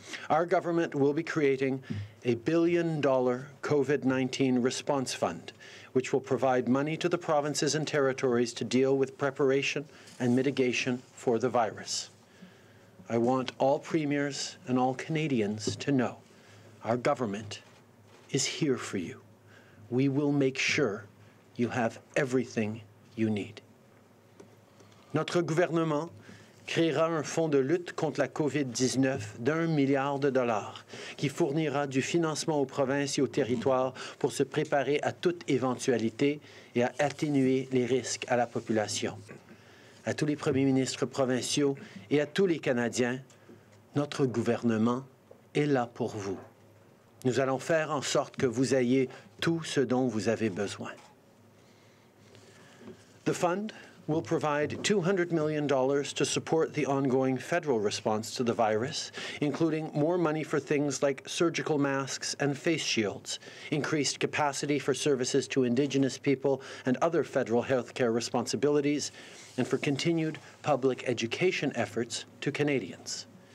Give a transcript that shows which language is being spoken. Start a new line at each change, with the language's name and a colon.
English: Our government will be creating a billion-dollar COVID-19 response fund, which will provide money to the provinces and territories to deal with preparation and mitigation for the virus. I want all premiers and all Canadians to know our government is here for you. We will make sure you have everything you need.
French: Notre gouvernement créera un fonds de lutte contre la COVID-19 d'$1 milliard qui fournira du financement aux provinces et aux territoires pour se préparer à toute éventualité et à atténuer les risques à la population. À tous les premiers ministres provinciaux et à tous les Canadiens, notre gouvernement est là pour vous. Nous allons faire en sorte que vous ayez tout ce dont vous avez besoin.
English: The fund will provide $200 million to support the ongoing federal response to the virus, including more money for things like surgical masks and face shields, increased capacity for services to Indigenous people and other federal health care responsibilities, and for continued public education efforts to Canadians.